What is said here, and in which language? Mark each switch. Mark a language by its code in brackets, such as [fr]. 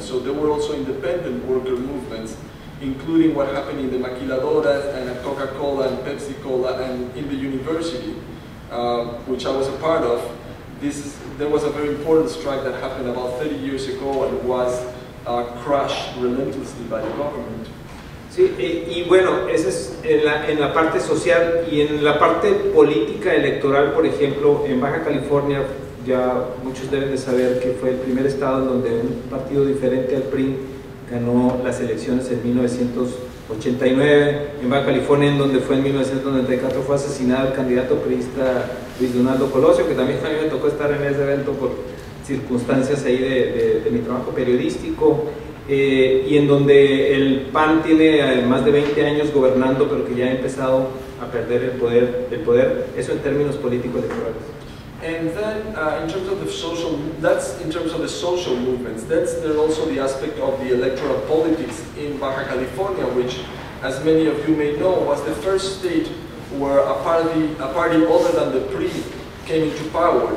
[en] So there were also independent worker movements, including what happened in the maquiladoras and at Coca-Cola and Pepsi-Cola and in the university. Which I was a part of. There was a very important strike that happened about 30 years ago and was crushed relentlessly by the government. [es] Sí, y bueno, esa es en la parte social. Y en la parte política electoral, por ejemplo, en Baja California, ya muchos deben de saber que fue el primer estado en donde un partido diferente al PRI ganó las elecciones en 1989, en Baja California, en donde fue en 1994, fue asesinado el candidato priista Luis Donaldo Colosio, que también a mí me tocó estar en ese evento por circunstancias ahí de mi trabajo periodístico, y en donde el PAN tiene más de 20 años gobernando, pero que ya ha empezado a perder el poder, eso en términos políticos electorales. [en] And then, in terms of the social, that's in terms of the social movements. That's there also the aspect of the electoral politics in Baja California, which, as many of you may know, was the first state where a party other than the PRI came into power.